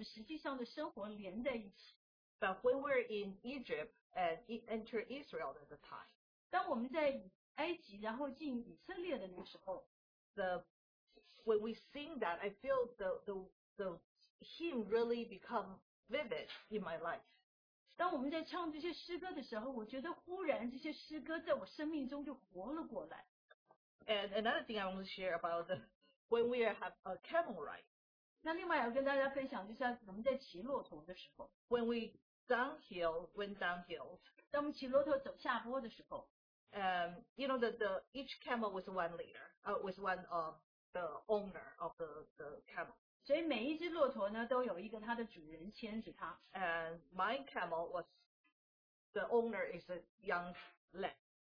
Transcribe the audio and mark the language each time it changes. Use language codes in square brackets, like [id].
[zh] 但是我们从来没有把这个诗歌跟我们实际上的生活连在一起。But [en] when we're in Egypt and enter Israel at the time. [zh] 当我们在埃及然后进以色列的那个时候, [en] when we sing that, I feel the hymn really become vivid in my life. [zh] 当我们在唱这些诗歌的时候，我觉得忽然这些诗歌在我生命中就活了过来。And [en] another thing I want to share about when we have a camel ride. [zh] 那另外要跟大家分享就是我们在骑骆驼的时候。When [en] we went downhill. [zh] 当我们骑骆驼走下坡的时候。 [en] You know the each camel was one leader, was one of the owner of the camel. [zh] 所以每一只骆驼呢，都有一个它的主人牵着它。And [en] my camel was the owner is a young lad.